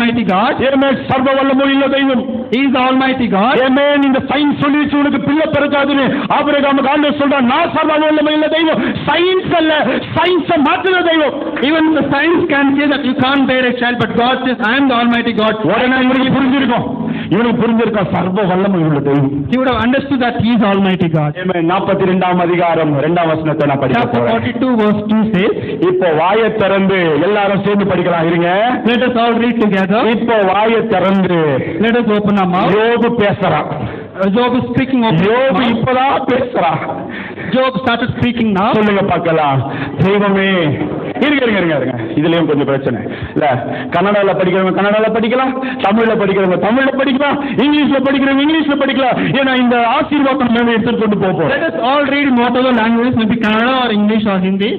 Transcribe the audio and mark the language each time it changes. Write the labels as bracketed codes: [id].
[ta] வல்லமையுள்ள [en] He is the Almighty God. Amen. In the science [ta] சொல்லிச்சு உங்களுக்கு பிள்ளை பிறக்காதுனு ஆபிரகாம் ஆண்டவர் சொல்றான் நான் சர்வவல்லமையுள்ள தெய்வம் சயின்ஸ் அல்ல சயின்ஸ் மாத்திரம் தெய்வம் [en] Even the science can say that you can't bear a child, but God says, I am the Almighty God. [ta] இவனுக்கு புரிஞ்சிருக்கும் சர்வ வல்லமையுள்ள தெய்வம் [en] He would have understood that he is Almighty God. [ta] Amen. 42 அதிகாரம் 2 வசனத்தை நான் படிக்க போறேன் [en] 42 verse 2 says, [ta] இப்போ வாயை திறந்து எல்லாரும் சேர்ந்து படிக்கலாம் இருங்க [en] Let us all read together. [ta] இப்போ வாயை திறந்து [en] Let us open [ta] யோபு பேசுறான் [en] யோபு ஸ்பீக்கிங் [ta] யோபு இப்பதா பேசுறா [en] யோபு started speaking now [ta] சொல்லுங்க பார்க்கலாம் தெய்வமே இருங்க இதுலயும் கொஞ்சம் பிரச்சனை இல்ல கன்னடாவில் படிக்கிறவங்க கன்னடாவில் படிக்கலாம் தமிழ்ல படிக்கிறவங்க தமிழ்ல படிக்கலாம் இங்கிலீஷ்ல படிக்கிறவங்க இங்கிலீஷ்ல படிக்கலாம் ஏன்னா இந்த ஆசீர்வாதம் நம்ம எடுத்துட்டு கொண்டு போவோம் [en] Let us all read in whatever language, maybe Kannada or English or Hindi.